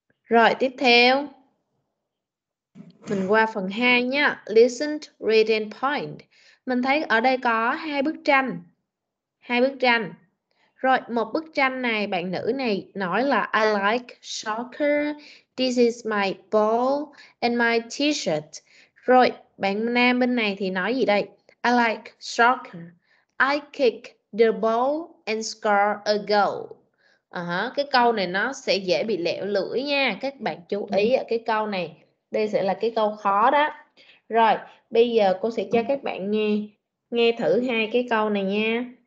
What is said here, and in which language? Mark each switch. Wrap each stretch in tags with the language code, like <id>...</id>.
<vi>Rồi, tiếp theo. Mình qua phần 2 nha.</vi> <en>Listen, read and point.</en> <vi>Mình thấy ở đây có hai bức tranh. Hai bức tranh. Rồi, một bức tranh này, bạn nữ này nói là</vi> <en>I like soccer. This is my ball and my t-shirt.</en> <vi>Rồi, bạn nam bên này thì nói gì đây?</vi> <en>I like soccer. I kick the ball and score a goal.</en> <vi>Cái câu này nó sẽ dễ bị lẹo lưỡi nha. Các bạn chú ý ở cái câu này. Đây sẽ là cái câu khó đó. Rồi, bây giờ cô sẽ cho các bạn nghe. Nghe thử hai cái câu này nha.</vi>